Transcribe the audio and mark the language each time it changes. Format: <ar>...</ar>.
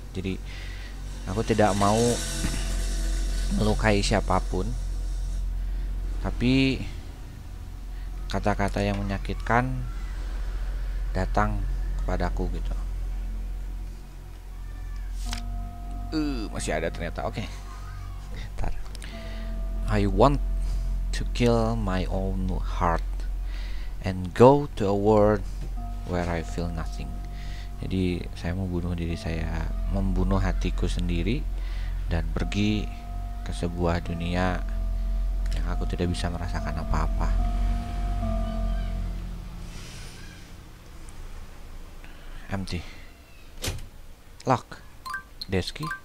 <id>Jadi aku tidak mau melukai siapapun, tapi kata-kata yang menyakitkan datang kepadaku gitu. Masih ada ternyata. Oke.</id> <en>Okay. I want to kill my own heart and go to a world where I feel nothing.</en> <id>Jadi saya mau bunuh diri saya, membunuh hatiku sendiri dan pergi ke sebuah dunia yang aku tidak bisa merasakan apa-apa.</id> <en>Empty. Lock. Desk.</en>